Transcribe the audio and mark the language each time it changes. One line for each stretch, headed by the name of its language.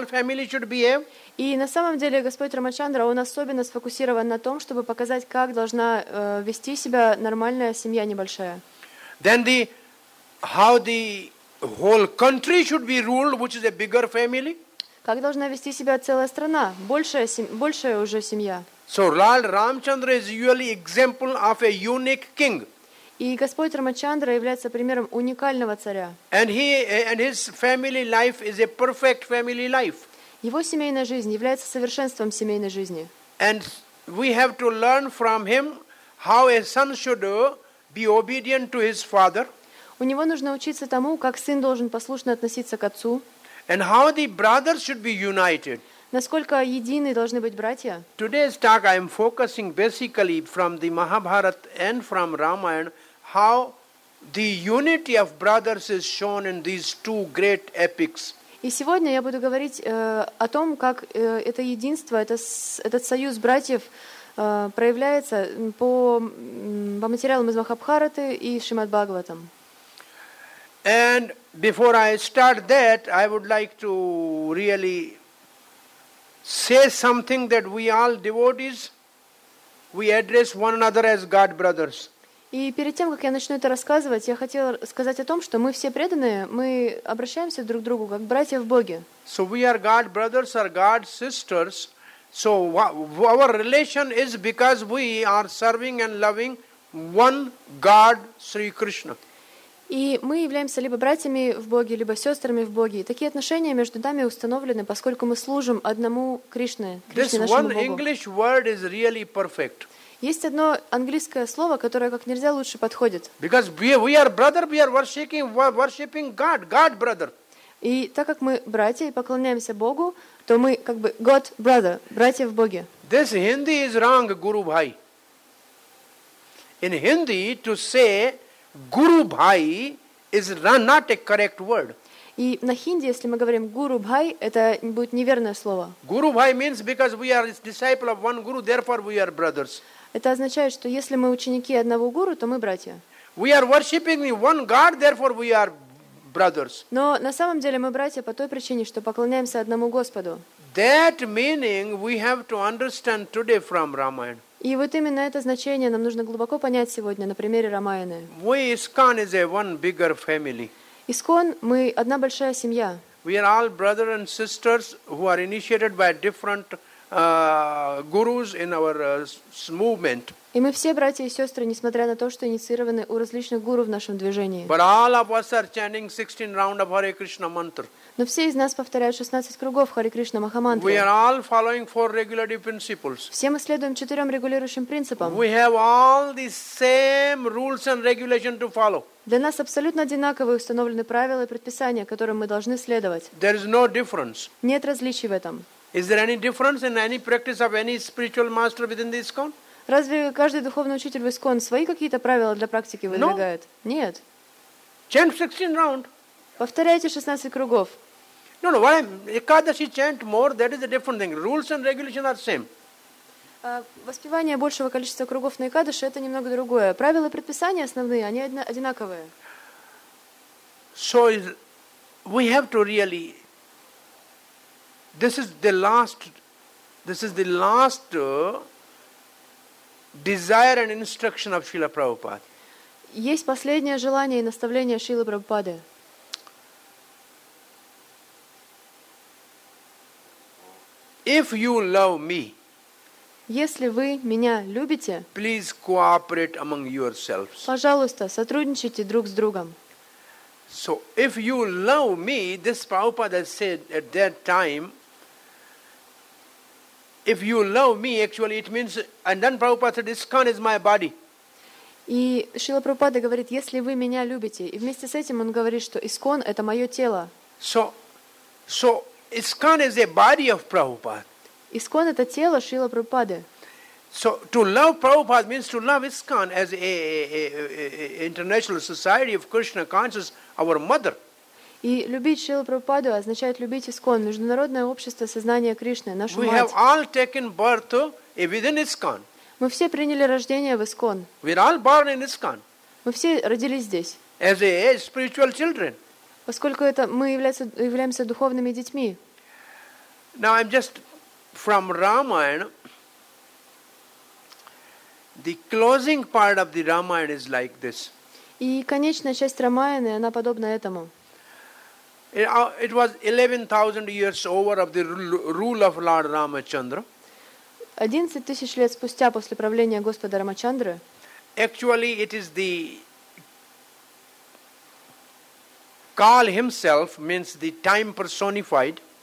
Russian: И на самом деле Господь Рамачандра, он особенно сфокусирован на том, чтобы показать, как должна вести себя нормальная семья небольшая.
English: Then the how the whole country should be ruled, which is a bigger family.
Russian: Как должна вести себя целая страна, большая уже семья.
English: So Lord Ramchandra is usually example of a unique king.
Russian: И Господь Рамачандра является примером уникального царя.
English: And he and his family life is a perfect family life.
Russian: Его семейная жизнь является совершенством семейной жизни.
English: And we have to learn from him how a son should be obedient to his father.
Russian: У него нужно учиться тому, как сын должен послушно относиться к отцу.
English: And how the brothers should be united.
Russian: Насколько едины должны быть братья?
English: Today's talk I am focusing basically from the Mahabharata and from Ramayana how the unity of brothers is shown in these two great epics.
Russian: И сегодня я буду говорить о том, как это единство, этот союз братьев проявляется по материалам из Махабхараты и Шримад-Бхагаватам.
English: And before I start that, I would like to really say something that we all devotees, we address one another as God brothers.
Russian: И перед тем, как я начну это рассказывать, я хотела сказать о том, что мы все преданные, мы обращаемся друг к другу как братья в Боге.
English: So we are God brothers or God sisters. So our relation is because we are serving and loving one God, Sri Krishna.
Russian: И мы являемся либо братьями в Боге, либо сестрами в Боге. И такие отношения между нами установлены, поскольку мы служим одному Кришне, нашему Богу.
English: This one English word is really perfect.
Russian: Есть одно английское слово, которое как нельзя лучше подходит.
English: Because we are brother, we are worshiping God, God brother.
Russian: И так как мы братья и поклоняемся Богу, то мы как бы
English: God brother,
Russian: братья в Боге.
English: This Hindi is wrong, Guru Bhai. In Hindi, to say Guru Bhai is not a correct word.
Russian: И на хинди, если мы говорим Guru Bhai, это будет неверное слово.
English: Guru Bhai means because we are disciple of one guru, therefore we are brothers.
Russian: Это означает, что если мы ученики одного гуру, то мы братья.
English: We are worshiping one God, therefore we are brothers.
Russian: Но на самом деле мы братья по той причине, что поклоняемся одному Господу.
English: That meaning we have to understand today from Ramayana.
Russian: И вот именно это значение нам нужно глубоко понять сегодня на примере Рамаяны.
English: We ISKCON is a one bigger family.
Russian: ISKCON, мы одна большая семья.
English: We are all brothers and sisters who are initiated by different gurus in our movement.
Russian: И мы все братья и сестры, несмотря на то, что инициированы у различных гуру в нашем движении.
English: But all of us are chanting 16 round of Hare Krishna mantra.
Russian: Но все из нас повторяют 16 кругов Хари Кришна Махамантры.
English: We are all following four regulative principles.
Russian: Все мы следуем четырем регулирующим принципам.
English: We have all the same rules and regulations to follow.
Russian: Для нас абсолютно одинаковые установлены правила и предписания, которым мы должны следовать.
English: There is no difference.
Russian: Нет различий в этом.
English: Is there any difference in any practice of any spiritual master within the ISKCON?
Russian: Разве каждый духовный учитель в ISKCON свои какие-то правила для практики выдвигает?
English: No.
Russian: Нет.
English: Chant 16 round.
Russian: Повторяйте 16 кругов.
English: No, no, why? Ekadashi chant more, that is a different thing. Rules and regulations are same.
Russian: Воспевание большего количества кругов на Экадаши – это немного другое. Правила и предписания основные, они одинаковые.
English: So we have to really... This is the last desire and instruction of Srila Prabhupada.
Russian: Есть последнее желание и наставление Шрилы Прабхупады.
English: If you love me,
Russian: если вы меня любите,
English: please cooperate among yourselves.
Russian: Пожалуйста, сотрудничайте друг с другом.
English: So if you love me, this Prabhupada said at that time, if you love me, actually it means, and then Prabhupada said, ISKCON is my body.
Russian: И Шрила Прабхупада говорит, если вы меня любите, и вместе с этим он говорит, что ИСККОН – это мое тело.
English: So ISKCON is a body of Prabhupada.
Russian: ИСККОН – это тело Шрила Прабхупады.
English: So to love Prabhupada means to love ISKCON as an international society of Krishna consciousness, our mother.
Russian: И любить Шрилу Прабхупаду означает любить ИСККОН, международное общество сознания Кришны, нашу
English: we
Russian: мать.
English: We have all taken birth within ISKCON.
Russian: Мы все приняли рождение в ИСККОН.
English: We're all born in ISKCON.
Russian: Мы все родились здесь.
English: As a spiritual children.
Russian: Поскольку это мы являемся духовными детьми.
English: Now I'm just from Ramayana. The closing part of the Ramayana is like this.
Russian: И конечная часть Рамаяны, она подобна этому.
English: It was 11,000 years over of the rule of Lord Ramachandra.
Russian: 11,000 лет спустя после правления Господа Рамачандры.
English: Actually, it is the Kal himself, means the time personified.